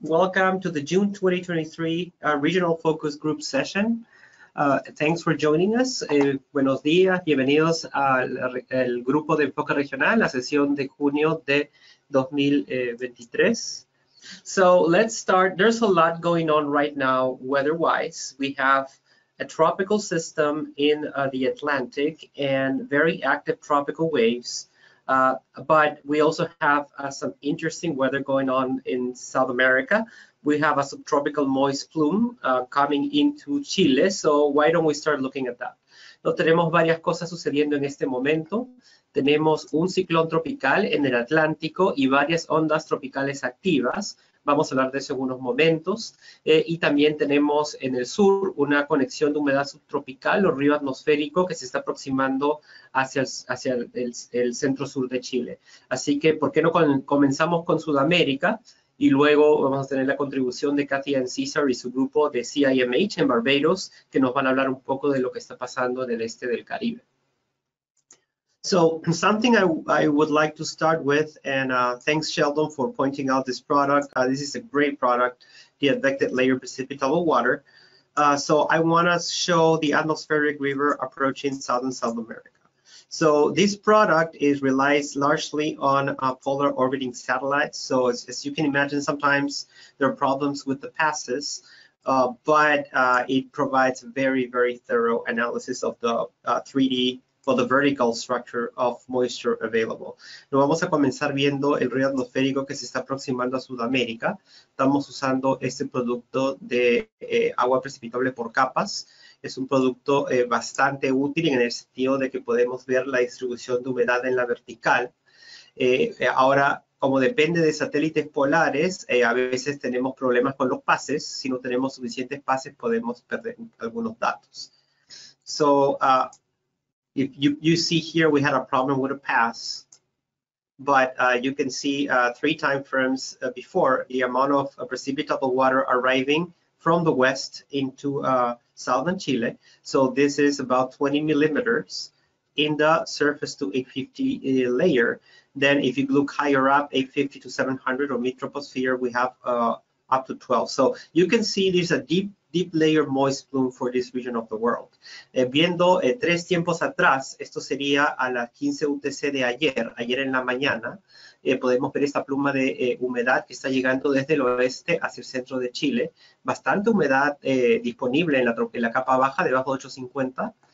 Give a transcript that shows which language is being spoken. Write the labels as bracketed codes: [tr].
[en] Welcome to the June 2023 Regional Focus Group session. Thanks for joining us. [es] Buenos dias, bienvenidos al Grupo de Enfoque Regional, la sesión de junio de 2023. [en] So let's start. There's a lot going on right now weather-wise. We have a tropical system in the Atlantic and very active tropical waves. But we also have some interesting weather going on in South America. We have a subtropical moist plume coming into Chile. So why don't we start looking at that? [es] No tenemos varias cosas sucediendo en este momento. Tenemos un ciclón tropical en el Atlántico y varias ondas tropicales activas. Vamos a hablar de eso en unos momentos. Y también tenemos en el sur una conexión de humedad subtropical o río atmosférico que se está aproximando hacia el centro sur de Chile. Así que, ¿por qué no comenzamos con Sudamérica? Y luego vamos a tener la contribución de Cathy Ann Caesar y su grupo de CIMH en Barbados, que nos van a hablar un poco de lo que está pasando en el este del Caribe. [en] So something I would like to start with, and thanks Sheldon for pointing out this product. This is a great product, the advected layer precipitable water. So I want to show the atmospheric river approaching southern South America. So this product relies largely on polar orbiting satellites. So as you can imagine, sometimes there are problems with the passes. But it provides very, very thorough analysis of the 3D for the vertical structure of moisture available. [es] No vamos a comenzar viendo el río atmosférico que se está aproximando a Sudamérica. Estamos usando este producto de agua precipitable por capas. Es un producto bastante útil en el sentido de que podemos ver la distribución de humedad en la vertical. Ahora, como depende de satélites polares, a veces tenemos problemas con los pases. Si no tenemos suficientes pases, podemos perder algunos datos. [en] So, if you see here, we had a problem with a pass, but you can see three time frames before the amount of precipitable water arriving from the west into southern Chile. So this is about 20 millimeters in the surface to 850 layer. Then if you look higher up, 850 to 700 or mid-troposphere, we have up to 12. So you can see there's a deep layer moist plume for this region of the world. [es] Viendo tres tiempos atrás, esto sería a las 15 UTC de ayer en la mañana, podemos ver esta pluma de humedad que está llegando desde el oeste hacia el centro de Chile. Bastante humedad disponible en la capa baja debajo de 850.